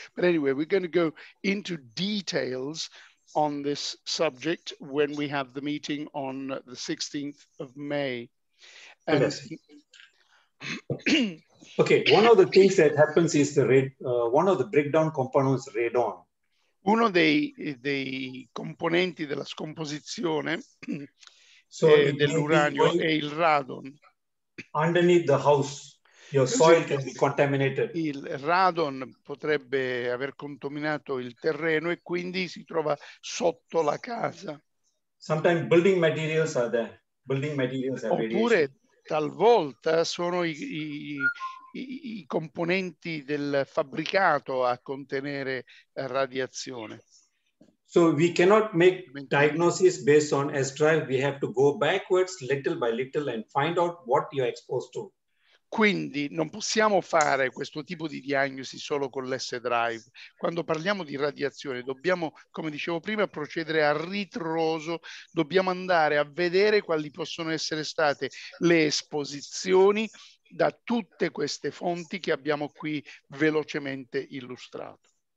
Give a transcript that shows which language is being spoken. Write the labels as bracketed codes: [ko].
[en] But anyway, we're going to go into details on this subject when we have the meeting on the 16th of May. And okay, one of the things that happens is the one of the breakdown components, radon. [it] Uno dei componenti della scomposizione dell'uranio è il radon. [en] Underneath the house, your soil can be contaminated. [it] Il radon potrebbe aver contaminato il terreno e quindi si trova sotto la casa. [en] Sometimes building materials are there. Building materials are [it] Oppure radiation. Talvolta sono i componenti del fabbricato a contenere radiazione. [en] So we cannot make diagnosis based on S-drive. We have to go backwards little by little and find out what you're exposed to. [it] Quindi non possiamo fare questo tipo di diagnosi solo con l'S-drive. Quando parliamo di radiazione dobbiamo, come dicevo prima, procedere a ritroso. Dobbiamo andare a vedere quali possono essere state le esposizioni da tutte queste fonti che abbiamo qui velocemente illustrato.